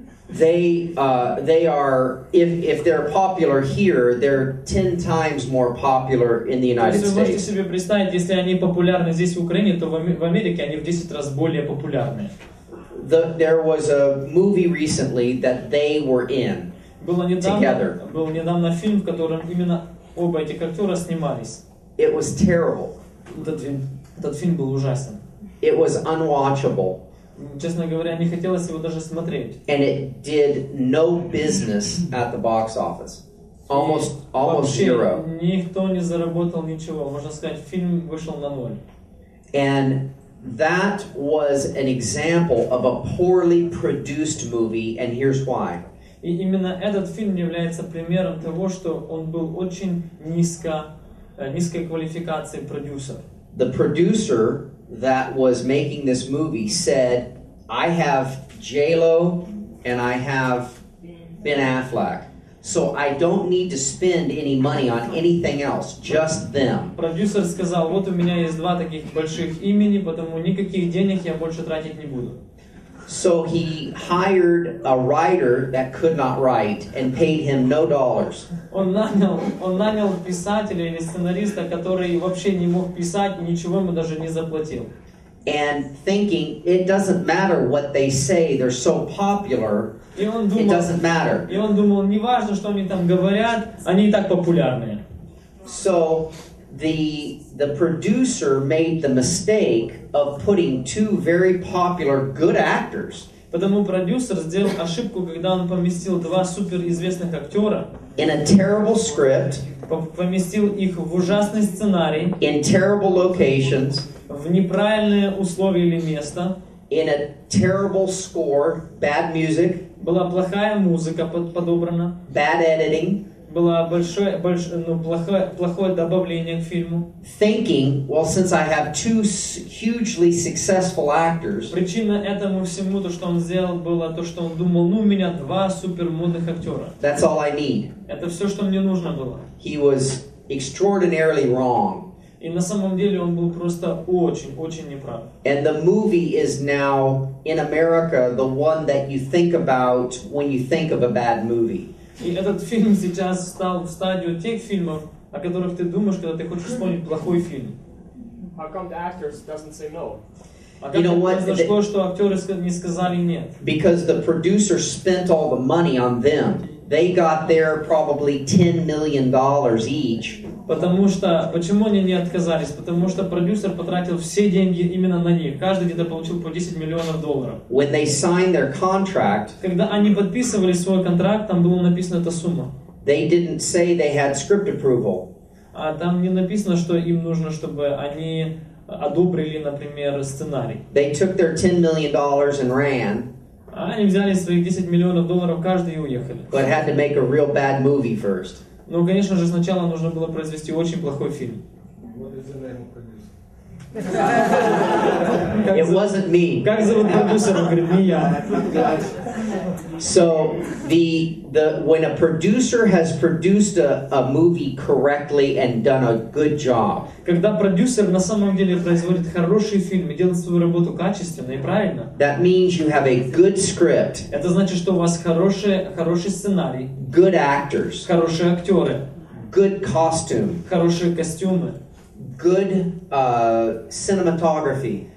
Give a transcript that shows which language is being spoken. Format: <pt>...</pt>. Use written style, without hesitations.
<en>They are, if they're popular here, they're 10 times more popular in the United States.</en> <ru>То есть вы можете себе представить, если они популярны здесь в Украине, то в Америке они в 10 раз более популярны.</ru> <en>There was a movie recently that they were in together.</en> <ru>Был недавно фильм, в котором именно оба этих актера снимались.</ru> <en>It was terrible.</en> <ru>Этот фильм был ужасен.</ru> <en>It was unwatchable.</en> <ru>Честно говоря, не хотелось его даже смотреть.</ru> <en>And it did no business at the box office. Almost zero.</en> <ru>Никто не заработал ничего. Можно сказать, фильм вышел на ноль.</ru> <en>And that was an example of a poorly produced movie, and here's why.</en> <ru>И именно этот фильм является примером того, что он был очень низкой квалификации продюсер.</ru> <en>The producer that was making this movie said, I have J-Lo and I have Ben Affleck, so I don't need to spend any money on anything else, just them.</en> <ru>Продюсер сказал, вот у меня есть два таких больших имени, потому никаких денег я больше тратить не буду.</ru> <en>So he hired a writer that could not write and paid him no dollars.</en> <ru>Он нанял писателя или сценариста, который вообще не мог писать, ничего ему даже не заплатил.</ru> <en>And thinking, it doesn't matter what they say, they're so popular, it doesn't matter.</en> <ru>И он думал, не важно, что они там говорят, они и так популярные.</ru> <en>So the producer made the mistake of putting two very popular good actors.</en> <ru>Потому продюсер сделал ошибку, когда он поместил два суперизвестных актера</ru> <en>in a terrible script,</en> <ru>поместил их в ужасный сценарий</ru> <en>in terrible locations,</en> <ru>в неправильные условия или место</ru> <en>in a terrible score, bad music,</en> <ru>была плохая музыка подобрана</ru> <en>bad editing,</en> <ru>было плохое добавление к фильму.</ru> <en>Thinking, well, since I have two hugely successful actors.</en> <ru>Причина этому всему, то, что он сделал, было то, что он думал, у меня два супермодных актера.</ru> <en>That's all I need.</en> <ru>Это все, что мне нужно было.</ru> <en>He was extraordinarily wrong.</en> <ru>И на самом деле он был просто очень, очень неправ.</ru> <en>And the movie is now, in America, the one that you think about when you think of a bad movie.</en> <ru>И этот фильм сейчас стал в стадию тех фильмов, о которых ты думаешь, когда ты хочешь вспомнить плохой фильм.</ru> <en>How come the actors doesn't say no? You know what?</en> <ru>Произошло, что актеры не сказали нет.</ru> <en>Because the producer spent all the money on them. They got their probably $10 million each.</en> <ru>Потому что почему они не отказались? Потому что продюсер потратил все деньги именно на них. Каждый где-то получил по</ru> <en>$10 million. When they signed their contract,</en> <ru>когда они подписывали свой контракт, там было написано эта сумма.</ru> <en>They didn't say they had script approval.</en> <ru>А там не написано, что им нужно, чтобы они одобрили, например, сценарий.</ru> <en>They took their $10 million and ran.</en> <ru>А они взяли свои</ru> <en>$10 million</en> <ru>каждый и уехали.</ru> <en>But had to make a real bad movie first.</en> <ru>Ну, конечно же, сначала нужно было произвести очень плохой фильм.</ru> <en>It wasn't me.</en> <ru>Как зовут продюсера? Говорит, не я.</ru> <en>So the when a producer has produced a movie correctly and done a good job.</en> <ru>Когда продюсер на самом деле производит хороший фильм и делает свою работу качественно и правильно.</ru> <en>That means you have a good script.</en> <ru>Это значит, что у вас хороший сценарий.</ru> <en>Good actors.</en> <ru>Хорошие актеры.</ru> <en>Good costume.</en> <ru>Хорошие костюмы.</ru> <en>Good cinematography.</en>